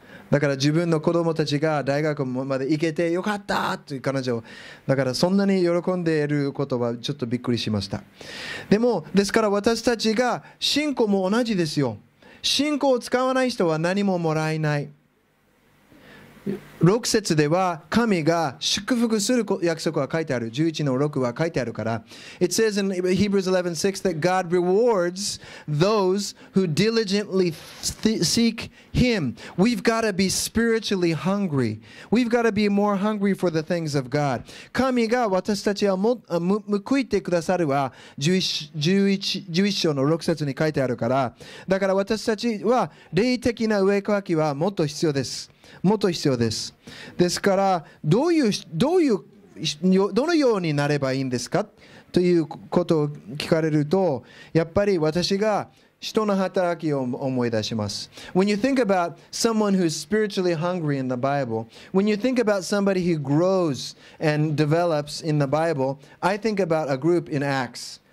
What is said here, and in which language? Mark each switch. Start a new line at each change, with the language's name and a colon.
Japanese: だから自分の子供たちが大学まで行けてよかったという彼女、だからそんなに喜んでいることはちょっとびっくりしました。でもですから私たちが信仰も同じですよ。信仰を使わない人は何ももらえない。 6節では神が祝福する約束は書いてある。 11の6は書いてあるから、
English: It says in Hebrews 11:6 that God rewards those who diligently seek Him. We've got to be spiritually hungry. We've got to be more hungry for the things of God.
Japanese: 神が私たちを報いてくださるは11章の6節に書いてあるから、だから私たちは霊的な植え替えはもっと必要です。もっと必要です。ですから、どのようになればいいんですかということを聞かれると、やっぱり私が人の働きを思い出します。
English: When you think about someone who's spiritually hungry in the Bible, when you think about somebody who grows and develops in the Bible, I think about a group in Acts.